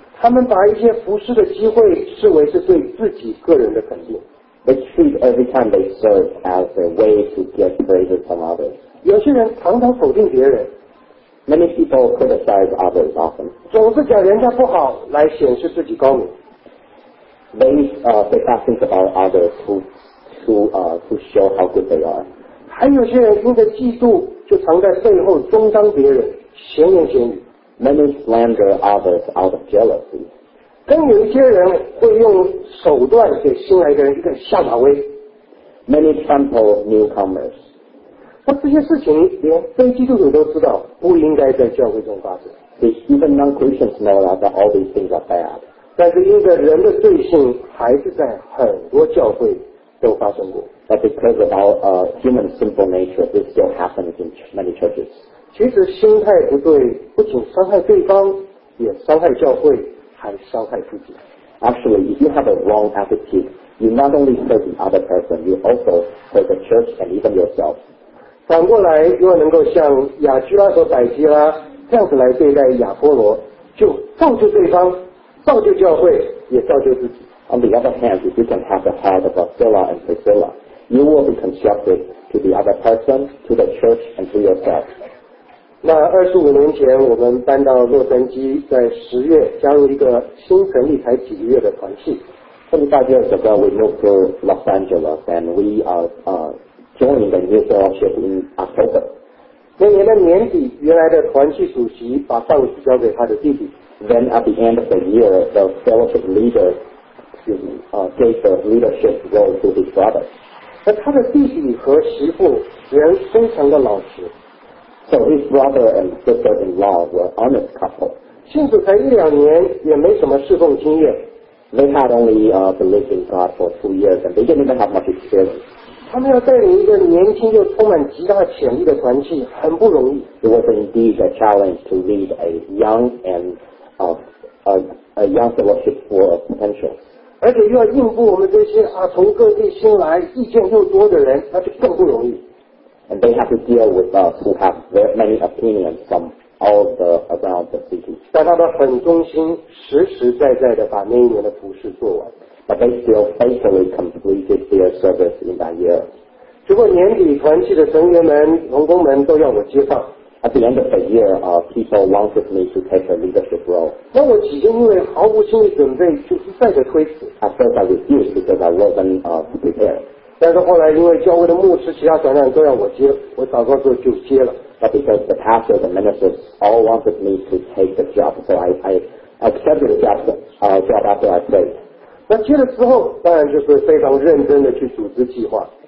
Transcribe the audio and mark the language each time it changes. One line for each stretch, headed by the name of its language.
Chinese: 他们把一些服事的机会视为是对自己个人的肯定。
English: They treat every time they serve as a way to get praise from others.
Chinese: 有些人常常否定别人。
English: Many people criticize others often.
Chinese: 总是讲人家不好来显示自己高明。
English: They fasten about others to show how good they are.
Chinese: 还有些人因着嫉妒就常在背后中伤别人闲言闲语
English: Many slander others out of jealousy
Chinese: 更有一些人会用手段给新来的人一个下马威
English: Many trample newcomers
Chinese: 那这些事情连非基督徒都知道不应该在教会中发生
English: Even non-Christians know that all these things are bad
Chinese: 但是因着人的罪性还是在很多教会都发生过
English: But because of our human sinful nature, this still happens in many churches.
Chinese: 其实心态不对，不仅伤害对方，也伤害教会，还伤害自己。
English: Actually, if you have a wrong attitude, you not only hurt the other person, you also hurt the church and even yourself.
Chinese: 反过来，若能够像亚居拉和百基拉这样子来对待亚波罗，就造就对方，造就教会，也造就自己。
English: On the other hand, if you can have the heart of Aquila and Priscilla, you will be constructive to the other person, to the church, and to yourself.
Chinese: 那25年前我们搬到洛杉矶在10月加入一个新成立才几个月的团契。
English: 25 years ago, we moved to Los Angeles, and we joined the new fellowship in October.
Chinese: 那年的年底原来的团契主席把范务交给他的弟弟。
English: Then at the end of the year, the fellowship leader,gave the leadership role to his brother.
Chinese: 那他的弟弟和媳妇人非常的老实。
English: So his brother and sister-in-law were honest couple.
Chinese: 信主才一两年，也没什么侍奉经验。
English: They had only believed in God for 2 years, and they didn't even have much experience.
Chinese: 他们要带领一个年轻又充满极大潜力的团契，很不容易。
English: It was indeed a challenge to lead a young fellowship full of potential.
Chinese: 而且又要应付我们这些从各地新来意见又多的人那就更不容易
English: And they have to deal with us who have very many opinions from all the around the city
Chinese: 但他们很忠心实实在在的把那一年的服事做完
English: But they still faithfully completed their service in that year
Chinese: 结果年底团契的成员们同工们都要我接棒
English: At the end of the year people wanted me to take the leadership role
Chinese: 那我几天因为毫无心理准备就是再的推迟
English: At first I refused because I wasn't prepared
Chinese: 但是后来因为教会的牧师其他传道人都让我接我祷告之后就接了
English: But because the pastor, the ministers all wanted me to take the job so I accepted the job after I prayed
Chinese: 那接了之后当然就是非常认真的去组织计划